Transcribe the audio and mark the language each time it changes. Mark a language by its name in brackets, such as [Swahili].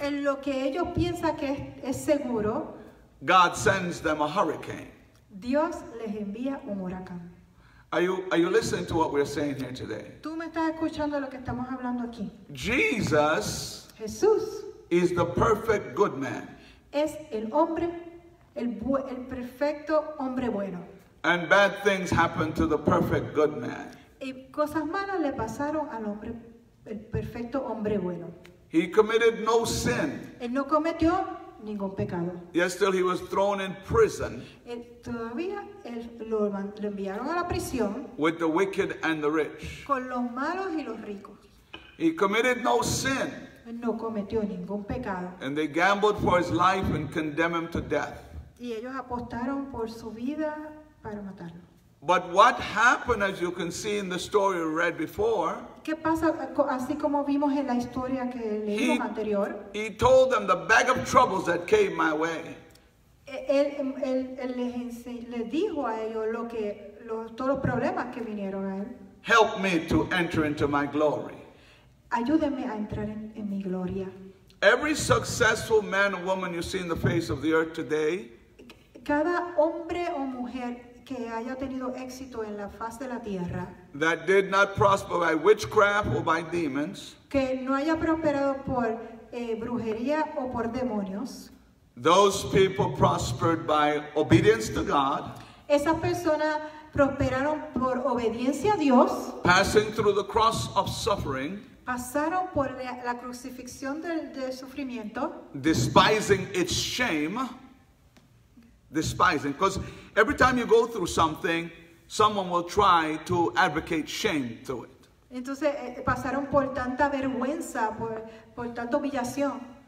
[Spanish] en lo que ellos piensan que es seguro, [English] God sends them a hurricane. [Spanish] Dios les envía un huracán. [English] Are you listening to what we're saying here today? [Spanish] ¿Tú me estás escuchando lo que estamos hablando aquí? [English] Jesus, [Spanish] Jesús, [English] is the perfect good man. [Spanish] Es el hombre, el perfecto hombre bueno. [English] And bad things happen to the perfect good man. [Spanish] Y cosas malas le pasaron al hombre bueno. El perfecto hombre bueno. [English] He committed no sin. [Spanish] Él no cometió ningún pecado. [English] Yet still he was thrown in prison. [Spanish] Todavía él lo enviaron a la prisión. [English] With the wicked and the rich. [Spanish] Con los malos y los ricos. [English] He committed no sin. [Spanish] No cometió ningún pecado. [English] And they gambled for his life and condemned him to death. [Spanish] Y ellos apostaron por su vida para matarlo. [English] But what happened, as you can see in the story we read before, [Spanish] ¿qué pasa, así como vimos en la historia que leímos anterior? [English] He told them the bag of troubles that came my way. [Spanish] Él les dijo a ellos lo que, todos los problemas que vinieron a él. [English] Help me to enter into my glory. [Spanish] Ayúdenme a entrar en mi gloria. [English] Every successful man or woman you see in the face of the earth today, [Spanish] cada hombre o mujer que haya tenido éxito en la faz de la tierra, [English] that did not prosper by witchcraft or by demons, [Spanish] que no haya prosperado por brujería o por demonios, [English] those people prospered by obedience to God, [Spanish] esas personas prosperaron por obediencia a Dios, [English] passing through the cross of suffering, [Spanish] pasaron por la crucifixión del sufrimiento, [English] despising its shame, despising, because every time you go through something, someone will try to advocate shame to it. [Spanish] Entonces, pasaron por tanta vergüenza, por tanta humillación.